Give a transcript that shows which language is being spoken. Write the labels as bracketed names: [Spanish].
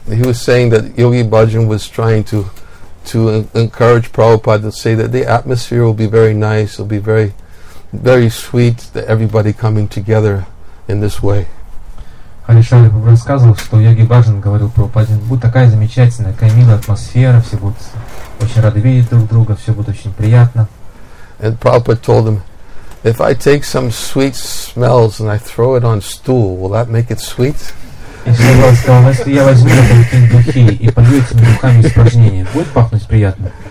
[English] He was saying that Yogi Bhajan was trying to encourage Prabhupada to say that the atmosphere will be very nice, will be very, very sweet, that everybody coming together in this way. [Russian] Харишали рассказывал, что Йоги Бхаджан говорил Прабхупаде, будет такая замечательная, такая милая атмосфера, все будут очень рады видеть друг друга, все будет очень приятно. [English] And Prabhupada told him, If I take some sweet smells and I throw it on stool, will that make it sweet? [Russian] Если я возьму какие-нибудь духи и полью этими духами испражнения, будет пахнуть приятно?